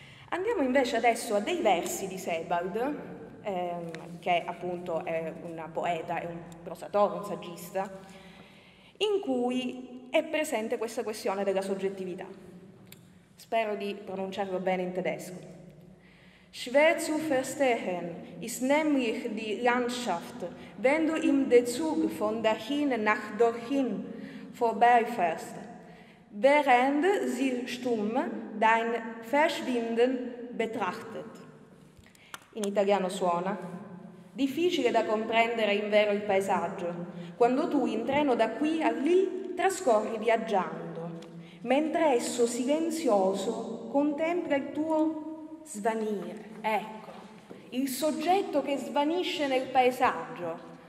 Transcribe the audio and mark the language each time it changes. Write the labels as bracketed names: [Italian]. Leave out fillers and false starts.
[Italian] Andiamo invece adesso a dei versi di Sebald, che appunto è un poeta, è un prosatore, un saggista, in cui è presente questa questione della soggettività. Spero di pronunciarlo bene in tedesco. [German] Schwer zu verstehen ist nämlich die Landschaft, wenn du im Zug von dahin nach dorthin vorbeifährst, während sie stumm dein Verschwinden betrachtet. [Italian] In italiano suona: difficile da comprendere in vero il paesaggio, quando tu in treno da qui a lì trascorri viaggiando, mentre esso silenzioso contempla il tuo svanire. Ecco, il soggetto che svanisce nel paesaggio.